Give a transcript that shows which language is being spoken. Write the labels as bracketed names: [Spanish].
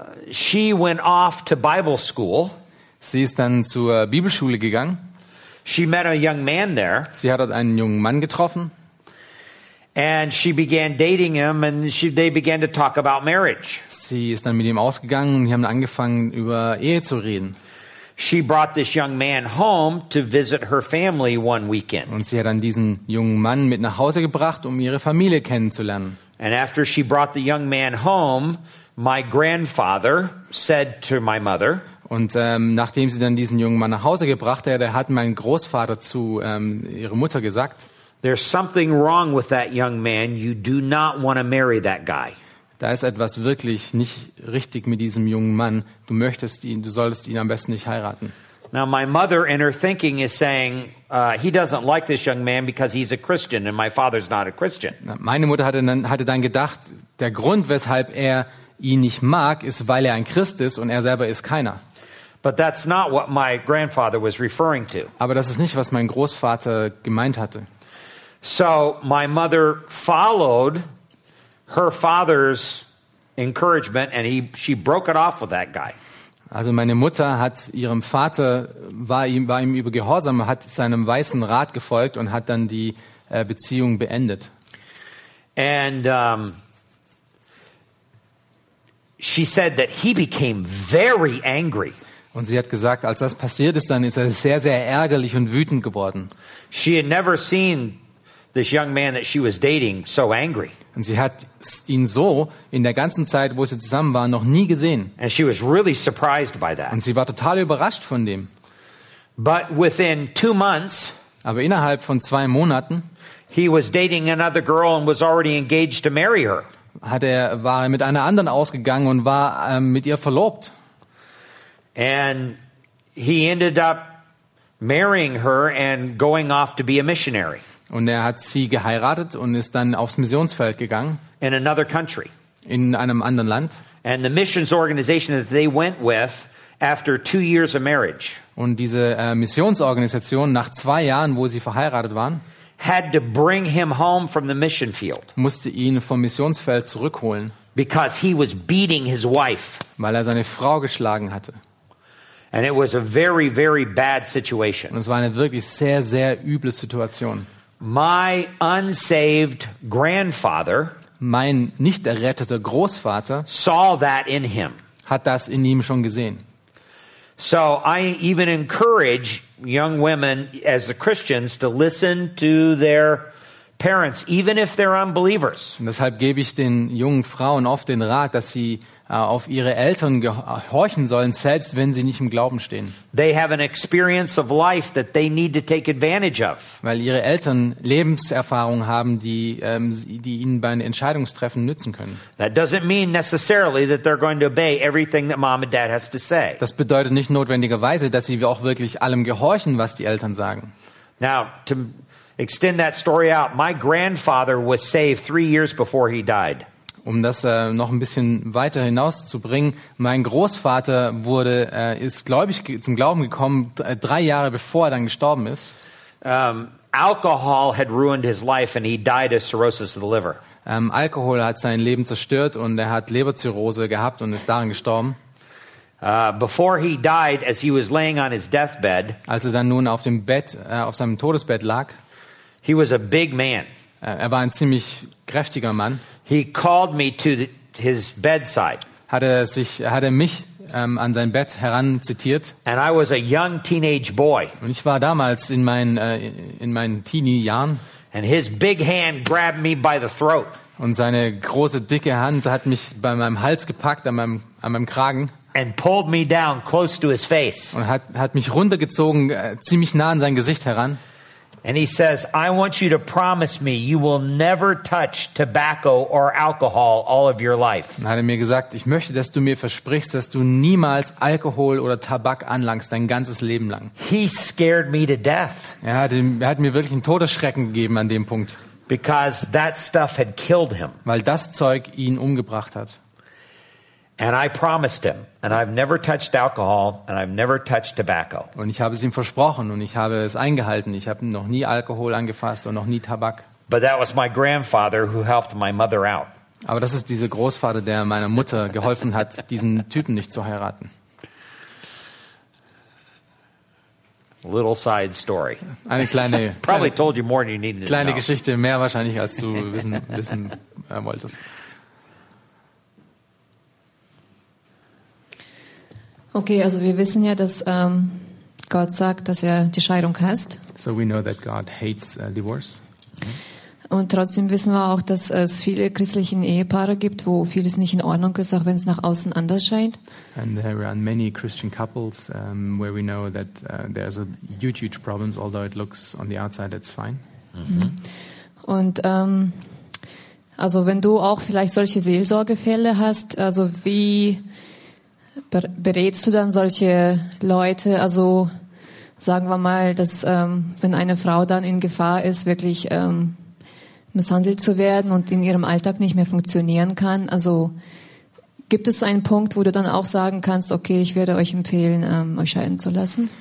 [English] She went off to Bible school. [German] Sie ist dann zur Bibelschule gegangen. [English] She met a young man there. [German] Sie hat dort einen jungen Mann getroffen. [English] And she began dating him and they began to talk about marriage. [German] Sie ist dann mit ihm ausgegangen und die haben angefangen über Ehe zu reden. [English] She brought this young man home to visit her family one weekend. [German] Und sie hat dann diesen jungen Mann mit nach Hause gebracht, um ihre Familie kennenzulernen. [English] And after she brought the young man home, my grandfather said to my mother. [German] Und nachdem sie dann diesen jungen Mann nach Hause gebracht hat, hat mein Großvater zu ihrer Mutter gesagt: [English] There's something wrong with that young man. You do not want to marry that guy. [German] Da ist etwas wirklich nicht richtig mit diesem jungen Mann. Du möchtest ihn, du solltest ihn am besten nicht heiraten. [English] Now my mother in her thinking is saying he doesn't like this young man because he's a Christian and my father's not a Christian. [German] Meine Mutter hatte dann gedacht, der Grund, weshalb er ihn nicht mag, ist, weil er ein Christ ist und er selber ist keiner. [English] But that's not what my grandfather was referring to. [German] Aber das ist nicht, was mein Großvater gemeint hatte. [English] So my mother followed her father's encouragement and she broke it off with that guy. [German] Also meine Mutter hat ihrem Vater war ihm über Gehorsam, hat seinem weisen Rat gefolgt und hat dann die Beziehung beendet. [English] And she said that he became very angry. [German] Und sie hat gesagt, als das passiert ist, dann ist er sehr sehr ärgerlich und wütend geworden. [English] She had never seen this young man that she was dating so angry. [German] Und sie hat ihn so in der ganzen Zeit, wo sie zusammen waren, noch nie gesehen. [English] And she was really surprised by that. [German] Und sie war total überrascht von dem. [English] But within 2 months, [German] aber innerhalb von 2 Monaten, [English] he was dating another girl and was already engaged to marry her. [German] War er mit einer anderen ausgegangen und war mit ihr verlobt. [English] And he ended up marrying her and going off to be a missionary. [German] Und er hat sie geheiratet und ist dann aufs Missionsfeld gegangen. [English] In another country. [German] In einem anderen Land. [English] And the missions organization that they went with after 2 years of marriage. [German] Und diese Missionsorganisation nach 2 Jahren, wo sie verheiratet waren, [English] had to bring him home from the mission field. [German] Musste ihn vom Missionsfeld zurückholen. [English] Because he was beating his wife. [German] Weil er seine Frau geschlagen hatte. [English] And it was a very, very bad situation. [German] Und es war eine wirklich sehr, sehr üble Situation. [English] My unsaved grandfather, [German] mein nicht erretteter Großvater, [English] saw that in him. [German] Hat das in ihm schon gesehen. [English] So I even encourage young women as the Christians to listen to their parents, even if they're unbelievers. [German] Und deshalb gebe ich den jungen Frauen oft den Rat, dass sie auf ihre Eltern gehorchen sollen, selbst wenn sie nicht im Glauben stehen. [English] They have an experience of life that they need to take advantage of. [German] Weil ihre Eltern Lebenserfahrungen haben, die ihnen beim Entscheidungstreffen nützen können. [English] That doesn't mean necessarily that they're going to obey everything that mom and dad has to say. [German] Das bedeutet nicht notwendigerweise, dass sie auch wirklich allem gehorchen, was die Eltern sagen. [English] Now, to extend that story out, my grandfather was saved 3 years before he died. [German] Um das noch ein bisschen weiter hinauszubringen, mein Großvater ist gläubig zum Glauben gekommen 3 Jahre bevor er dann gestorben ist. [English] Alcohol had ruined his life and he died of cirrhosis of the liver. [German] Alkohol hat sein Leben zerstört und er hat Leberzirrhose gehabt und ist daran gestorben. [English] Before he died, as he was laying on his deathbed, [German] als er dann nun auf dem Bett auf seinem Todesbett lag, [English] he was a big man. [German] Er war ein ziemlich kräftiger Mann. [English] He called me to his bedside. [German] Hat er mich an sein Bett heranzitiert. [English] And I was a young teenage boy. [German] Und ich war damals in meinen Teenie-Jahren. [English] And his big hand grabbed me by the throat. [German] Und seine große dicke Hand hat mich bei meinem Hals gepackt, an meinem Kragen. [English] And pulled me down close to his face. [German] Und hat mich runtergezogen, ziemlich nah an sein Gesicht heran. [English] And he says, I want you to promise me you will never touch tobacco or alcohol all of your life. [German] Dann hat er mir gesagt, ich möchte, dass du mir versprichst, dass du niemals Alkohol oder Tabak anlangst dein ganzes Leben lang. [English] He scared me to death. [German] Er hat mir wirklich einen Todesschrecken gegeben an dem Punkt. [English] Because that stuff had killed him. [German] Weil das Zeug ihn umgebracht hat. [English] And I promised him, and I've never touched alcohol, and I've never touched tobacco. [German] Und ich habe es ihm versprochen, und ich habe es eingehalten. Ich habe noch nie Alkohol angefasst und noch nie Tabak. [English] But that was my grandfather who helped my mother out. [German] Aber das ist dieser Großvater, der meiner Mutter geholfen hat, diesen Typen nicht zu heiraten. [English] Little side story. [German] Eine kleine. [English] Probably told you more than you needed. [German] Kleine Geschichte, mehr wahrscheinlich als du wissen wolltest. Okay, also wir wissen ja, dass Gott sagt, dass er die Scheidung hasst. [English] So we know that God hates divorce. [German] Und trotzdem wissen wir auch, dass es viele christliche Ehepaare gibt, wo vieles nicht in Ordnung ist, auch wenn es nach außen anders scheint. [English] And there are many Christian couples where we know that there's a huge problems, although it looks on the outside it's fine. Mm-hmm. [German] Und also wenn du auch vielleicht solche Seelsorgefälle hast, also wie berätst du dann solche Leute, also sagen wir mal, dass wenn eine Frau dann in Gefahr ist, wirklich misshandelt zu werden und in ihrem Alltag nicht mehr funktionieren kann, also gibt es einen Punkt, wo du dann auch sagen kannst, okay, ich werde euch empfehlen, euch scheiden zu lassen?